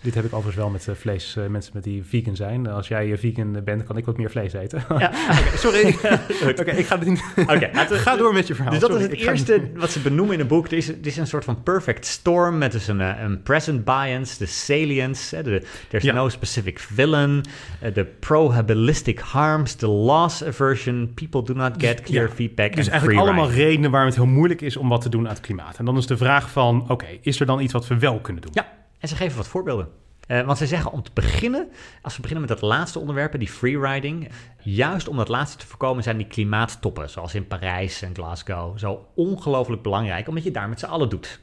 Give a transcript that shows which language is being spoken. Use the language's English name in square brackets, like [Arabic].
[Dutch] Dit heb ik overigens wel met vlees, mensen met die vegan zijn. Als jij vegan bent, kan ik wat meer vlees eten. Ja. Okay, sorry. Okay, ik ga het niet. Okay, ga door met je verhaal. Dus dat is het eerste wat ze benoemen in het boek. Dit is een soort van perfect storm met dus een present bias, de salience. [English] There's no specific villain. The prohibitionistic harms, the loss. Aversion, people do not get clear feedback. [Dutch] Dus eigenlijk [English] free [Dutch] allemaal redenen waarom het heel moeilijk is om wat te doen aan het klimaat. En dan is de vraag van, is er dan iets wat we wel kunnen doen? Ja, en ze geven wat voorbeelden. Want ze zeggen om te beginnen, als we beginnen met dat laatste onderwerp, die freeriding, juist om dat laatste te voorkomen zijn die klimaattoppen, zoals in Parijs en Glasgow, zo ongelooflijk belangrijk, omdat je daar met z'n allen doet.